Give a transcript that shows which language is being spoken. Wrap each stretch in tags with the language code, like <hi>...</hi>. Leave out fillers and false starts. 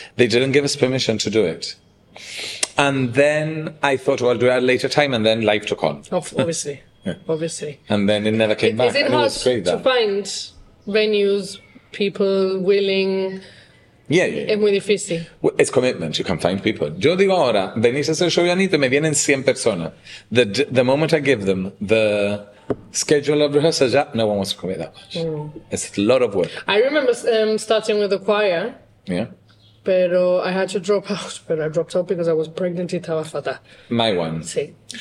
<en>They didn't give us permission to do it. And then I thought, well, I'll do it at a later time, and then life took on. Obviously. Yeah. Obviously. And then it never came back. Is it hard to find venues, people willing? Yeah, yeah, yeah.</en> <es>Es muy difícil.</es> <en>Well, it's commitment. You can find people.</en> <es>Yo digo ahora, venís a hacer show, Janito, me vienen 100 personas.</es> <en>The moment I give them the schedule of rehearsals, no one wants to commit that much. It's a lot of work. I remember starting with a choir. Yeah.</en> <es>Pero</es> <en>I had to drop out, but I dropped out because I was pregnant</en> <es>y estaba fatal.</es> <en>My one.</en> <es>Sí.</es>